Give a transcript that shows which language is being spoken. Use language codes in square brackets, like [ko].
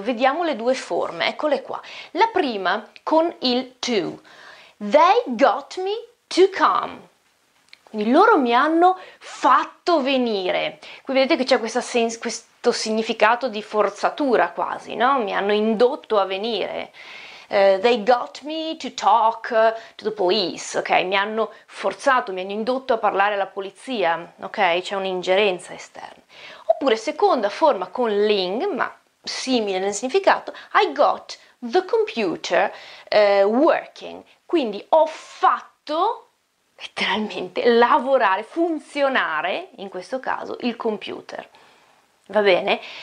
[it] Vediamo le due forme, eccole qua. La prima con il to. [en] They got me to come. [it] Quindi loro mi hanno fatto venire. Qui vedete che c'è questo significato di forzatura quasi, no? Mi hanno indotto a venire. [en] They got me to talk to the police, ok? [it] Mi hanno forzato, mi hanno indotto a parlare alla polizia, ok? C'è un'ingerenza esterna. Oppure seconda forma con ling, ma simile nel significato, [en] I got the computer working. [it] Quindi ho fatto letteralmente lavorare, funzionare in questo caso il computer. Va bene?